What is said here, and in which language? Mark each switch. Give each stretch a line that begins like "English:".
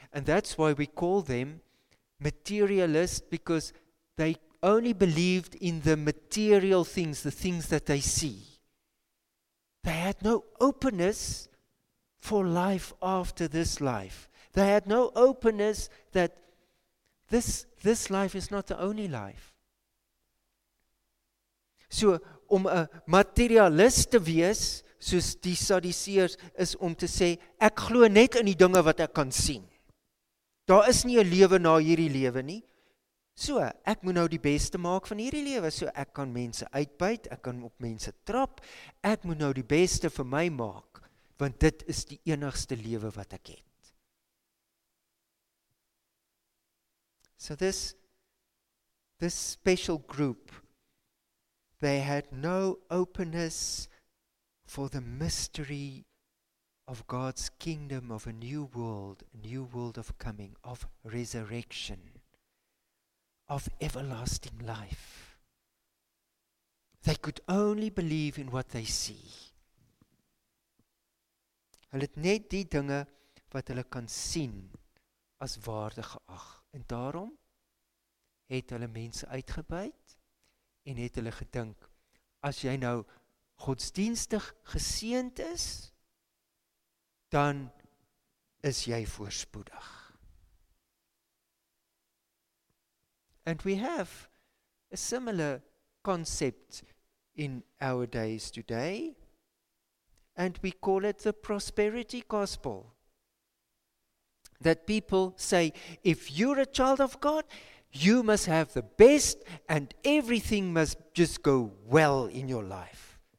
English: And that's why we call them materialists, because they only believed in the material things, the things that they see. They had no openness for life after this life. They had no openness that this life is not the only life.
Afrikaans: So, om 'n materialist te wees, soos die Sadduseërs, is om te sê, ek glo net in die dinge wat ek kan sien. Daar is nie 'n lewe na hierdie lewe nie. So, ek moet nou die beste maak van hierdie lewe, so ek kan mense uitbuit, ek kan op mense trap, ek moet nou die beste vir my maak, want dit is die enigste lewe wat ek het.
English: So this this special group, they had no openness for the mystery of God's kingdom, of a new world of coming, of resurrection, of everlasting life. They could only believe in what they see.
Afrikaans: Hulle het net die dinge wat hulle kan sien as waardig geag. En daarom het hulle mense uitgebuit en het hulle gedink, as jy nou godsdienstig geseend is, dan is jy voorspoedig.
English: And we have a similar concept in our days today, and we call it the prosperity gospel. That people say, if you're a child of God, you must have the best and everything must just go well in your life.